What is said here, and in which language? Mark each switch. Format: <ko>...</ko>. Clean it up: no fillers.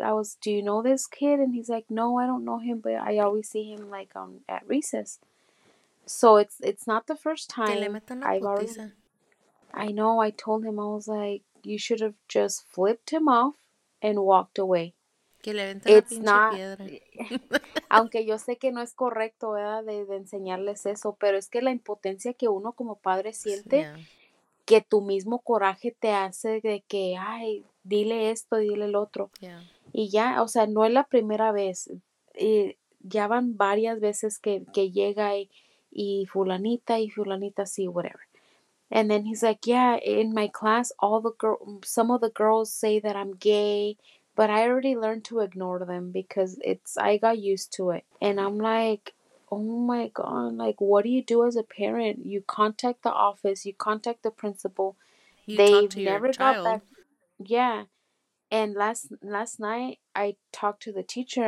<en>I was, do you know this kid? And he's like, no, I don't know him, but I always see him, like, at recess. So it's not the first time. I know. I told him, I was like, you should have just flipped him off and walked away. Que le it's la not. Piedra.</en> <es>Aunque yo sé que no es correcto, ¿verdad? De enseñarles eso, pero es que la impotencia que uno como padre siente, yeah. Que tu mismo coraje te hace de que, ay, dile esto, dile el otro.</es> <en>Yeah.</en> <es>Y ya, o sea, no es la primera vez. Y ya van varias veces que llega y fulanita, sí, whatever.</es> <en>And then he's like, yeah, in my class, some of the girls say that I'm gay, but I already learned to ignore them because I got used to it. And I'm like, oh my God, like, what do you do as a parent? You contact the office, you contact the principal. Yeah, and last night I talked to the teacher.</en>